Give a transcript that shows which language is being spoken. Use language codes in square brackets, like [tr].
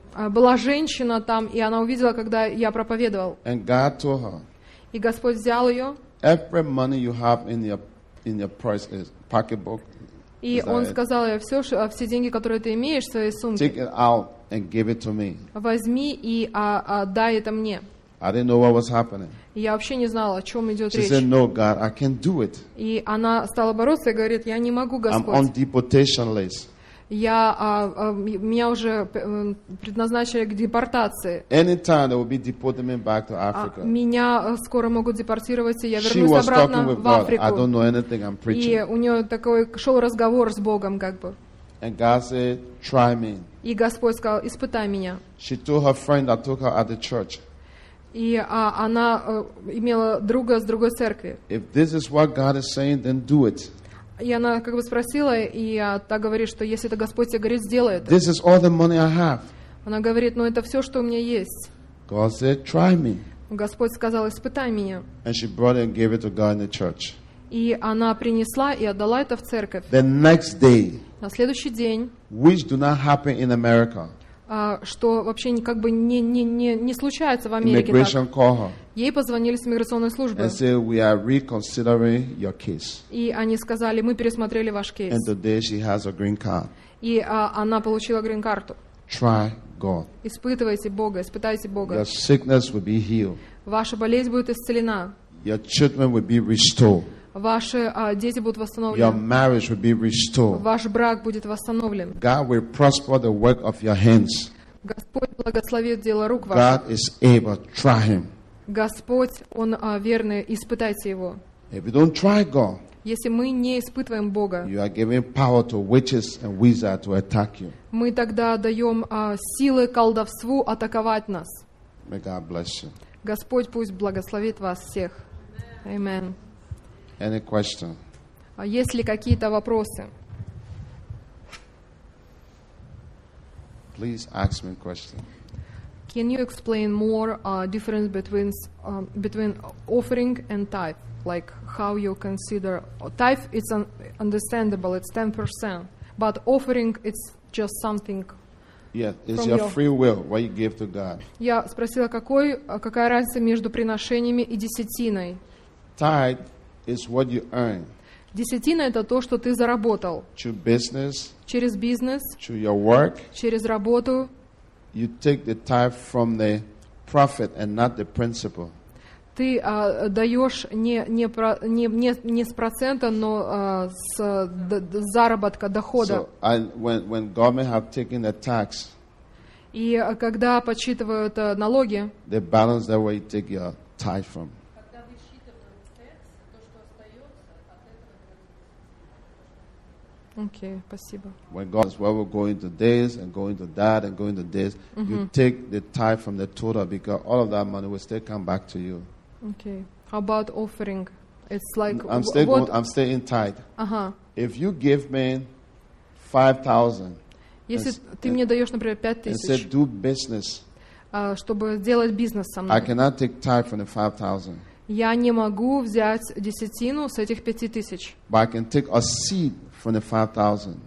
[ru] Была женщина там, и она увидела, когда я проповедовал. [en] And God told her. [ru] И Господь взял ее. [en] Every money you have in your purse is pocketbook. [ru] И он сказал ей, все деньги, которые ты имеешь в своей сумке, [en] take it out and give it to me. [ru] Возьми и дай это мне. [en] I didn't know what was happening. [ru] Я вообще не знала, о чем идет [en] She [ru] речь. [en] Said, no, God, I can't do it. [ru] И она стала бороться и говорит, я не могу, Господь. [en] I'm on deportation list. [ru] Меня уже предназначили к депортации. [en] Anytime they will be deporting me back to Africa. [ru] Меня скоро могут депортировать, и я вернусь обратно в Африку. [en] I don't know anything, I'm preaching. [ru] И у нее такой шел разговор с Богом, как бы. [en] And God said, try me. [ru] И Господь сказал, испытай меня. [en] She told her friend that took her at the church. [ru] И она имела друга с другой церкви. [en] If this is what God is saying, then do it. [ru] И она как бы спросила, и та говорит, что если это Господь тебе говорит, сделай это. [en] This is all the money I have. [ru] Она говорит, ну это все, что у меня есть. [en] God said, try me. [ru] Господь сказал, испытай меня. [en] And she brought it and gave it to God in the church. [ru] И она принесла и отдала это в церковь. [en] The next day. [ru] На следующий день. [en] Which do not happen in America. [ru] Что вообще как бы не случается в Америке. [en] Immigration call her. [ru] Ей позвонили с миграционной службы. [en] And say, we are reconsidering your case. [ru] И они сказали, мы пересмотрели ваш кейс. [en] And today she has a green card. [ru] И она получила грин-карту. [en] Try God. [ru] Испытывайте Бога, испытайте Бога. [en] Your sickness will be healed. [ru] Ваша болезнь будет исцелена. [en] Your children will be restored. [ru] Ваши дети будут восстановлены. [en] Your marriage will be restored. [ru] Ваш брак будет восстановлен. [en] God will prosper the work of your hands. [ru] Господь благословит дело рук ваших. [en] God is able. Try him. [ru] Господь, Он верный, испытайте Его. [en] If you don't try God, [ru] если мы не испытываем Бога, [en] you are giving power to witches and wizards to attack you. [ru] Мы тогда даем силы колдовству атаковать нас. [en] May God bless you. [ru] Господь пусть благословит вас всех. [en] Amen. Any question? [ru] Есть ли какие-то вопросы? [en] Please ask me a question. Can you explain more difference between offering and tithe? Like how you consider tithe? It's understandable. It's 10%, but offering it's just something. Yeah, it's your free will. What you give to God? [ru] Я спросила, какая разница между приношениями и десятиной? [en] Tithe is what you earn. [ru] Десятина — это то, что ты заработал. [en] Through business, [ru] через бизнес, [en] through your work, [ru] через работу. [en] You take the tithe from the profit and not the principal. [ru] Ты даешь не с процента, но с заработка, дохода. [en] So, when government have taken the tax, [ru] и когда подсчитывают налоги, [en] the balance that way you take your tithe from. [ru] Okay, спасибо. [en] When God says, well, we're going to this and going to that and going to this, mm-hmm. you take the tithe from the total because all of that money will still come back to you. Okay. How about offering? It's like I'm staying tithe. Uh-huh. If you give me 5,000, [ru] если ты мне даешь, например, 5,000, [en] and said, do business, [ru] чтобы сделать бизнес со мной, [en] I cannot take tithe from the 5,000. [ru] Я не могу взять десятину с этих 5,000. [en] But I can take a seed from the 5,000.